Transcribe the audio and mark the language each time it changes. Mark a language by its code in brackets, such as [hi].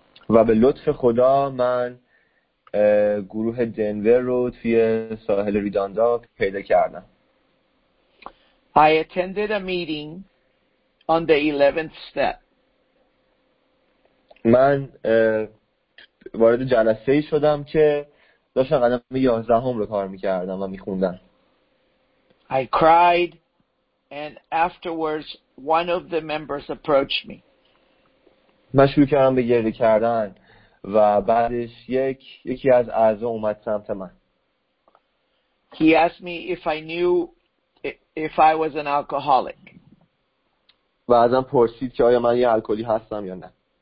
[fa] و به لطف خدا من گروه دنور رو توی ساحل ریداندو پیدا کردم. [en] I attended a meeting on the 11th step. [fa] من وارد جلسه شدم که داشتم قدم 11 رو کار میکردم و میخوندم. [en] I cried, and afterwards, one of the members approached me. [fa] من شروع کردم به گریه کردن و بعدش یکی از اعضا اومد سمت من. [en] He asked me if I knew if I was an alcoholic. [fa] و ازم پرسید که آیا من یه الکلی هستم یا نه.